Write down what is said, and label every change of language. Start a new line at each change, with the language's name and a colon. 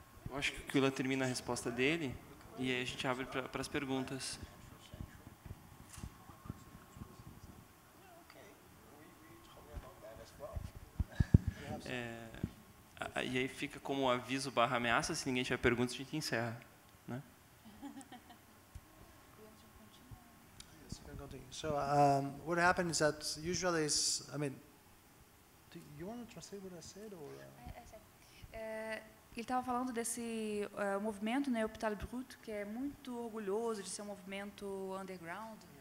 Portuguese: Eu acho que o Kula termina a resposta dele e aí a gente abre para as perguntas. É. E aí fica como aviso barra ameaça, se ninguém tiver perguntas, a gente encerra. Né?
English: So what happened is that usually is, I mean, do you want to translate what I said or?
Portuguese: Ele estava falando desse movimento, né, Hôpital Brut, que é muito orgulhoso de ser um movimento underground.